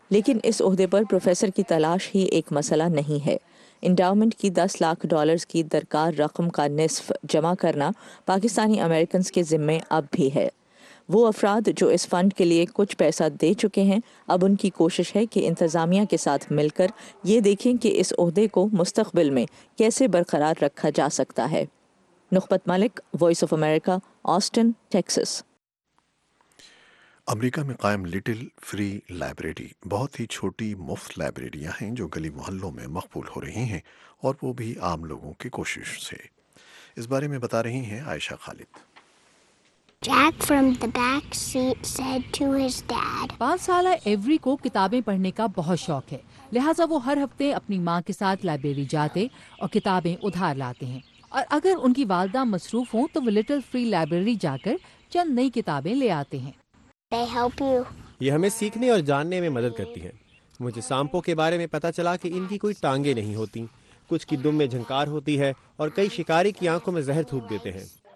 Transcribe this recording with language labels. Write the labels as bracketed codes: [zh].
[ur] لیکن اس عہدے پر پروفیسر کی تلاش ہی ایک مسئلہ نہیں ہے۔ انڈاؤمنٹ کی $10 لاکھ کی درکار رقم کا نصف جمع کرنا پاکستانی امریکنز کے ذمے اب بھی ہے۔ وہ افراد جو اس فنڈ کے لیے کچھ پیسہ دے چکے ہیں، اب ان کی کوشش ہے کہ انتظامیہ کے ساتھ مل کر یہ دیکھیں کہ اس عہدے کو مستقبل میں کیسے برقرار رکھا جا سکتا ہے۔ نخبت ملک، voice of America, Aston, Texas. امریکہ میں قائم لٹل فری لائبریری بہت ہی چھوٹی مفت لائبریریاں ہیں جو گلی محلوں میں مقبول ہو رہی ہیں، اور وہ بھی عام لوگوں کی کوشش سے۔ اس بارے میں بتا رہی ہیں عائشہ خالد۔ [en] Jack from the back seat said to his dad, [ur] 5 سالہ ایوری کو کتابیں پڑھنے کا بہت شوق ہے، لہٰذا وہ ہر ہفتے اپنی ماں کے ساتھ لائبریری جاتے اور کتابیں ادھار لاتے ہیں, اور اگر ان کی والدہ مصروف ہوں تو وہ لٹل فری لائبریری جا کر چند نئی کتابیں لے آتے ہیں. یہ ہمیں سیکھنے اور جاننے میں مدد کرتی ہیں. مجھے سانپوں کے بارے میں پتا چلا کہ ان کی کوئی ٹانگیں نہیں ہوتی, کچھ کی دم میں جھنکار ہوتی ہے اور کئی شکاری کی آنکھوں میں زہر تھوک دیتے ہیں.